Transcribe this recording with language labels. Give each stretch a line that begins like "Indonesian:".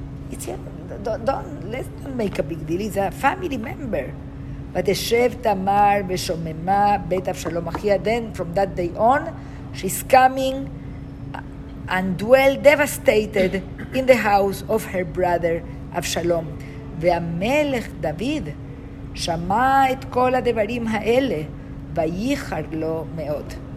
English: It's your, let's not make a big deal. He's a family member."
Hebrew: ותשב תמר ושוממה בית אבשלום אחיה.
English: Then from that day on, she's coming and dwell devastated in the house of her brother אבשלום.
Hebrew: והמלך דוד שמע את כל הדברים האלה וייחר לו מאוד.